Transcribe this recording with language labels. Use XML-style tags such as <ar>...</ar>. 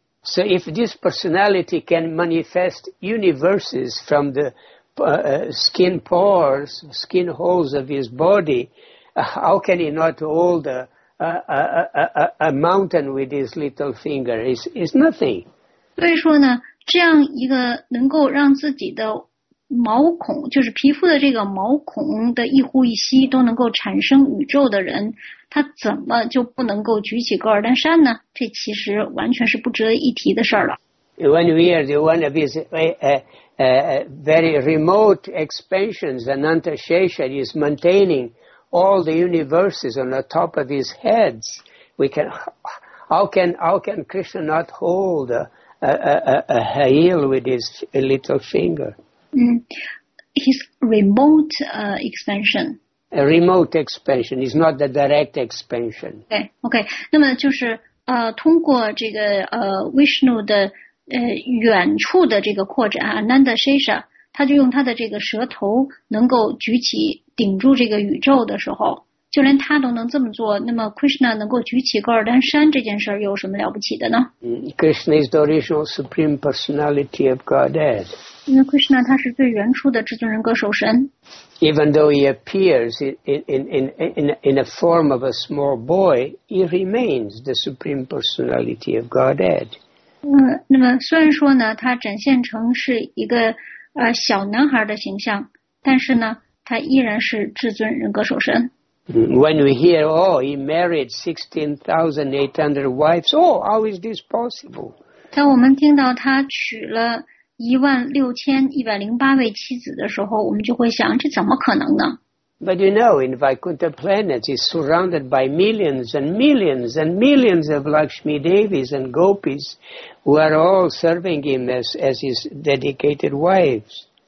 <en>So if this personality can manifest universes from the skin pores, skin holes of his body, how can he not hold a mountain with his little finger? It's nothing.</en> <zh>所以说呢，这样一个能够让自己的毛孔，就是皮肤的这个毛孔的一呼一吸都能够产生宇宙的人，他怎么就不能够举起戈尔丹山呢？这其实完全是不值得一提的事儿了。</zh> <en>When we are the one of his very remote expansions, Ananta Shesha is maintaining all the universes on the top of his heads. We can, how can Krishna not hold a hail with his little finger. His remote expansion. A remote expansion is not the direct expansion.</en> <zh>Okay. 那么就是通过这个Vishnu 的远处的这个扩展 ，Ananda Shesha， 他就用他的这个舌头能够举起顶住这个宇宙的时候，就连他都能这么做，那么 Krishna 能够举起噶尔丹山这件事有什么了不起的呢？</zh> <en>Krishna is the original supreme personality of Godhead.</en> <zh>因为 Krishna 他是最原初的至尊人格首神。</zh> <en>Even though he appears in a form of a small boy, he remains the supreme personality of Godhead.</en> <zh>那么虽然说呢，他展现成是一个小男孩的形象，但是呢，他依然是至尊人格首神。</zh> <en>When we hear, oh, he married 16,800 wives, oh, how is this possible?</en> <zh>当我们听到他娶了16,108位妻子的时候，我们就会想，这怎么可能呢？</zh> <en>But you know, in Vaikuntha planet, he's surrounded by millions and millions and millions of Lakshmi Devis and Gopis who are all serving him as his dedicated wives.</en>